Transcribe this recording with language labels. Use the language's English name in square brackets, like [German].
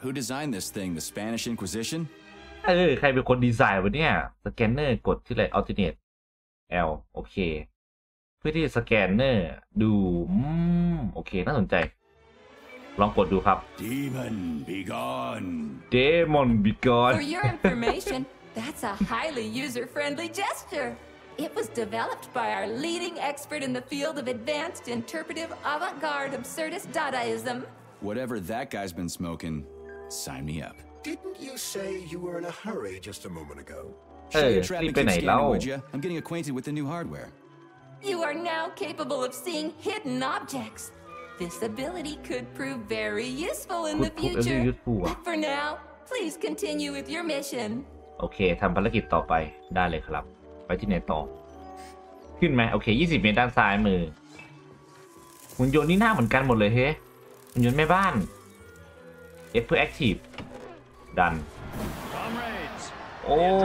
[English] Who designed this thing? The Spanish Inquisition? [Thai] เออใครเป็นคนดีไซน์วะเนี่ยสแกนเนอร์กดที่อะไร Alternate L โอเคเพื่อที่สแกนเนอร์ดูโอเคน่าสนใจลองกดดูครับ [English] Demon be gone. Demon be gone. For your information, that's a highly user-friendly gesture. It was developed by our leading expert in the field of advanced interpretive avant-garde absurdist Dadaism. Whatever that guy's been smoking, sign me up. Didn't you say you were in a hurry just a moment ago? I'm getting acquainted with the new hardware. You are now capable of seeing hidden objects. This ability could prove very useful in the future. But for now, please continue with your mission. Okay, [Thai] ทำภารกิจต่อไปได้เลยครับไปที่ไหนต่อขึ้นไหมโอเค20เมตรด้านซ้ายมือหุ่นยนต์นี่หน้าเหมือนกันหมดเลยเฮ้ยหุ่นยนต์แม่บ้าน F per active ดันโอ้